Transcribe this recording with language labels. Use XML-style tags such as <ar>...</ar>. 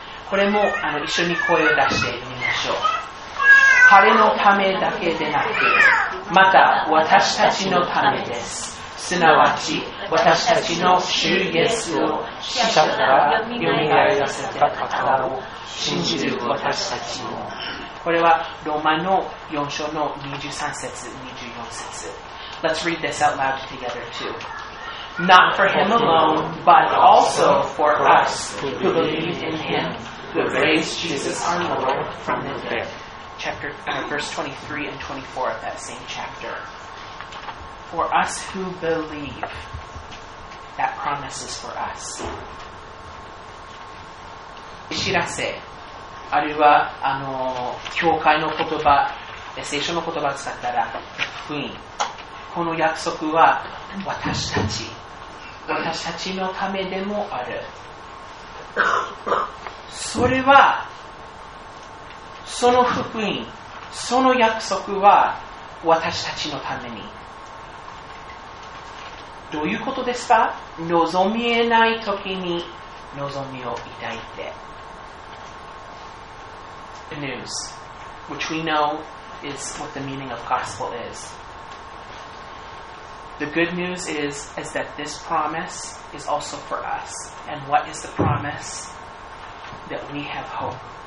<ja>これも一緒に声を出してみましょう。彼のためだけでなく、また私たちのためです。すなわち、私たちの主イエスを死者から蘇らせた方を信じる私たちも。これはローマの4章の23節、24節。</ja> <en>Let's read this out loud together too. Not for him alone, but also for us who believe in him who raised Jesus our Lord from the dead. Verse 23 and 24 of that same chapter. For us who believe, that promise is for us.</en> <ja>知らせ、あるいは教会の言葉、聖書の言葉を使ったら福音。この約束は私たち。私たちのためでもある。それはその福音、その約束は私たちのために。どういうことですか？望みえない時に望みを抱いて。</ja> <en>The news, which we know is what the meaning of gospel isThe good news is that this promise is also for us. And what is the promise? That we have hope.</en>